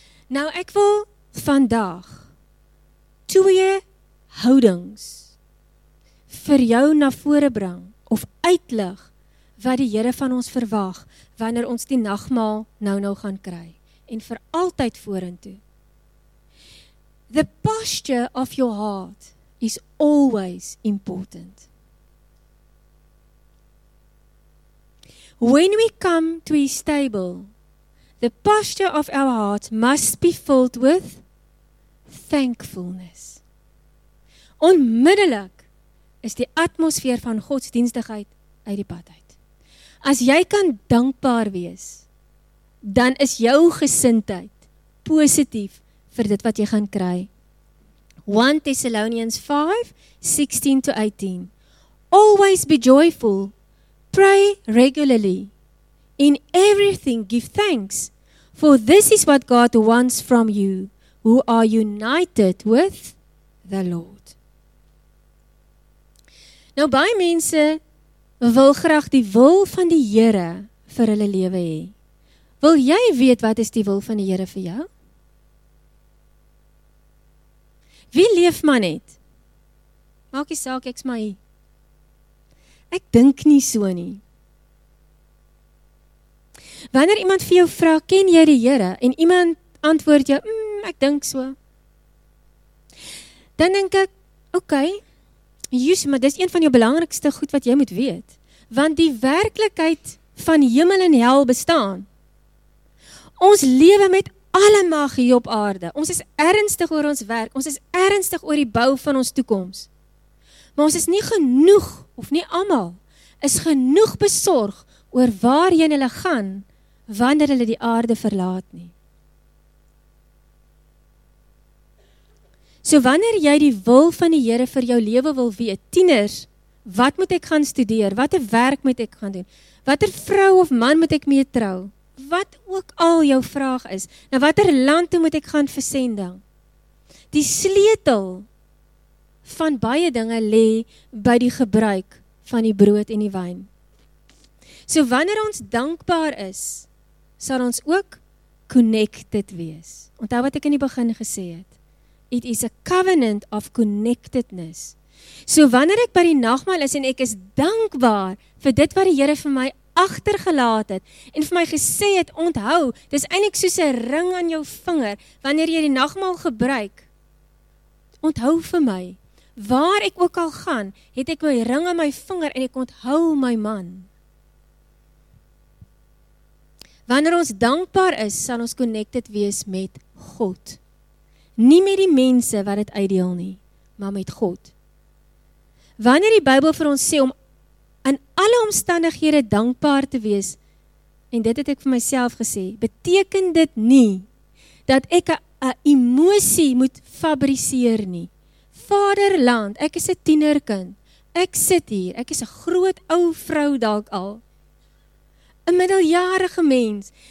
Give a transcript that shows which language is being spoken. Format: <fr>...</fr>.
<af>Nou ek wil vandag twee houdings vir jou na vore bring of uitlig wat die Here van ons verwag wanneer ons die nagmaal nou gaan kry en vir altyd vorentoe.</af> <en>The posture of your heart is always important. When we come to his table, the posture of our heart must be filled with thankfulness.</en> <af>Onmiddellik is die atmosfeer van godsdienstigheid uit die pad uit. As jy kan dankbaar wees, dan is jou gesindheid positief vir dit wat jy gaan kry.</af> <en>1 Thessalonians 5:16-18. Always be joyful, pray regularly, in everything give thanks, for this is what God wants from you, who are united with the Lord.</en> <af>Nou, baie mense wil graag die wil van die Here vir hulle lewe hê. Wil jy weet wat is die wil van die Here vir jou? Wie leef maar net? Maak die saak, ek's maar hier. Ek dink nie so nie. Wanneer iemand vir jou vra, ken jy die Here? En iemand antwoord jou, ek dink so. Dan denk ek, okay, Jesus, maar dis een van jou belangrikste goed wat jy moet weet. Want die werklikheid van hemel en hel bestaan. Ons lewe met alle mag hier op aarde. Ons is ernstig oor ons werk. Ons is ernstig oor die bou van ons toekoms. Maar ons is nie genoeg, of nie allemaal, is genoeg besorg oor waarheen hulle gaan, wanneer hulle die aarde verlaat nie. So wanneer jy die wil van die Here vir jou lewe wil weet, tieners, wat moet ek gaan studeer? Watter werk moet ek gaan doen? Watter vrou of man moet ek mee trou? Wat ook al jou vraag is, na watter land toe moet ek gaan versending? Die sleutel van baie dinge lê by die gebruik van die brood en die wyn. So wanneer ons dankbaar is, sal ons ook connected wees. Onthou wat ek in die begin gesê het.</af> <en>It is a covenant of connectedness.</en> <af>So wanneer ek by die nagmaal is en ek is dankbaar vir dit wat die Here vir my agtergelaat het en vir my gesê het, onthou, dis eintlik soos 'n ring aan jou vinger wanneer jy die nagmaal gebruik. Onthou vir my, waar ek ook al gaan, het ek my ring aan my vinger en ek onthou my man. Wanneer ons dankbaar is, sal ons connected wees met God. Nie met die mense wat het uitdeel nie, maar met God. Wanneer die Bybel vir ons sê om in alle omstandighede dankbaar te wees, en dit het ek vir myself gesê, beteken dit nie dat ek 'n emosie moet fabriseer nie. Vaderland, ek is 'n tienerkind, ek sit hier, ek is 'n groot ou vrou dalk al, 'n middeljarige mens.</af>